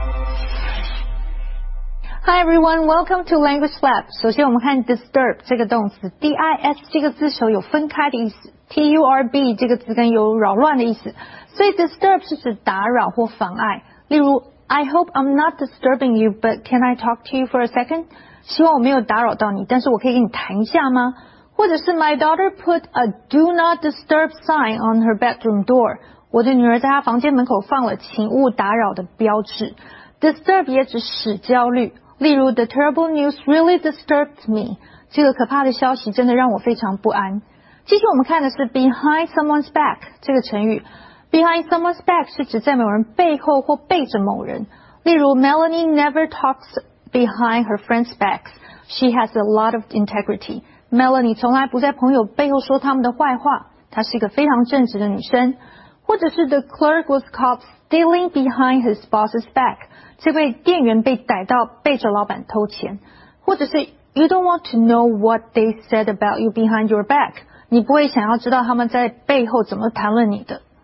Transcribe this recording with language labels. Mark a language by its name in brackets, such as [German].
[English] Hi everyone, welcome to Language Lab. [Chinese] 首先我们看 disturb 这个动词 ,dis 这个字首有分开的意思 ,turb 这个字根有扰乱的意思。所以 disturb 是指打扰或妨碍。例如 [English] ,I hope I'm not disturbing you, but can I talk to you for a second? [Chinese] 希望我没有打扰到你但是我可以跟你谈一下吗？或者是 [English] my daughter put a do not disturb sign on her bedroom door. [Chinese] 我的女儿在她房间门口放了请勿打扰的标志。 [English] Disturb [Chinese] 也指使焦虑。例如 [English] ,the terrible news really disturbed me. [Chinese] 这个可怕的消息真的让我非常不安。继续我们看的是 [English] behind someone's back, [Chinese] 这个成语。behind someone's back 是指在某人背后或背着某人。例如 [English] ,Melanie never talks behind her friends' backs. She has a lot of integrity. [Chinese] Melanie 从来不在朋友背后说他们的坏话。她是一个非常正直的女生。或者是 [English] ,the clerk was caught stealing behind his boss's back. [Chinese] 这位店员被逮到背着老板偷钱。或者是 [English] ,you don't want to know what they said about you behind your back. [Chinese] 你不会想要知道他们在背后怎么谈论你的。